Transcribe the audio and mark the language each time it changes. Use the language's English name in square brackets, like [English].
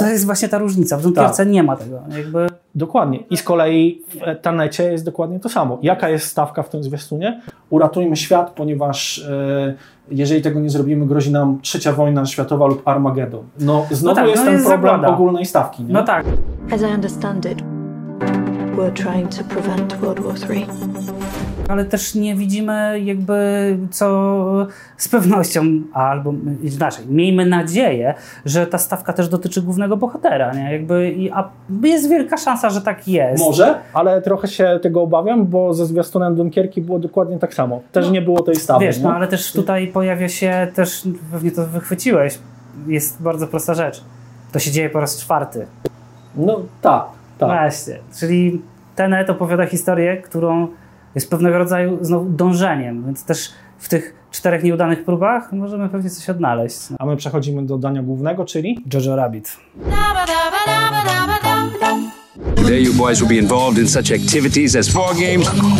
[Polish] To jest właśnie ta różnica. W tym tak. Nie ma tego. Jakby... Dokładnie. I z kolei w Tenecie jest dokładnie to samo. Jaka jest stawka w tym zwiastunie? Uratujmy świat, ponieważ jeżeli tego nie zrobimy, grozi nam trzecia wojna światowa lub Armagedon. No znowu no tak, jest no ten jest problem zagłada. Ogólnej stawki. Nie? No tak. [English] As I understand it, we're trying to prevent World War III. [Polish] Ale też nie widzimy jakby co z pewnością, albo inaczej, miejmy nadzieję, że ta stawka też dotyczy głównego bohatera, nie? Jakby, a jest wielka szansa, że tak jest. Może, ale trochę się tego obawiam, bo ze zwiastunem Dunkierki było dokładnie tak samo. Też no, nie było tej stawki. Wiesz, no ale też tutaj pojawia się też, pewnie to wychwyciłeś, jest bardzo prosta rzecz. To się dzieje po raz czwarty. No tak, tak. Właśnie, czyli Tenet opowiada historię, którą jest pewnego rodzaju znowu dążeniem, więc też w tych czterech nieudanych próbach możemy pewnie coś odnaleźć. A my przechodzimy do dania głównego, czyli Jojo Rabbit. [English] There you boys will be involved in such activities as war games,